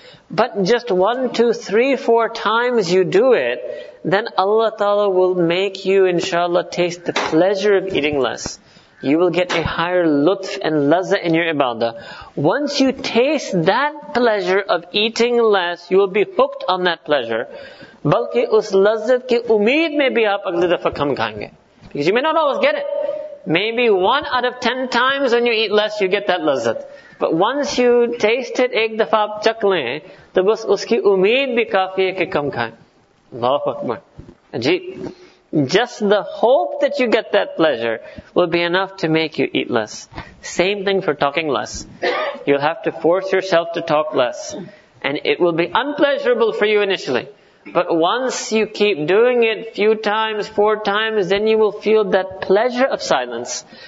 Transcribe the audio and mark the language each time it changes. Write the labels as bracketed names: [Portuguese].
[English] But just 1, 2, 3, 4 times you do it, then Allah Ta'ala will make you, inshallah, taste the pleasure of eating less. You will get a higher lutf and lazza in your ibadah. Once you taste that pleasure of eating less, you will be hooked on that pleasure. [Urdu] بلکہ اس لذت کی امید میں بھی آپ اگلی دفعہ کم کھائیں گے۔ [English] Because you may not always get it. Maybe 1 out of 10 times when you eat less, you get that lazzat. But once you taste it, [Urdu] ایک دفعہ آپ چکھ لے، تو بس اس کی امید بھی کافی ہے کہ کم کھائے۔ [Arabic] Allahu Akbar. [Urdu] Ajeeb. [English] Just the hope that you get that pleasure will be enough to make you eat less. Same thing for talking less. You'll have to force yourself to talk less. And it will be unpleasurable for you initially. But once you keep doing it few times, 4 times, then you will feel that pleasure of silence.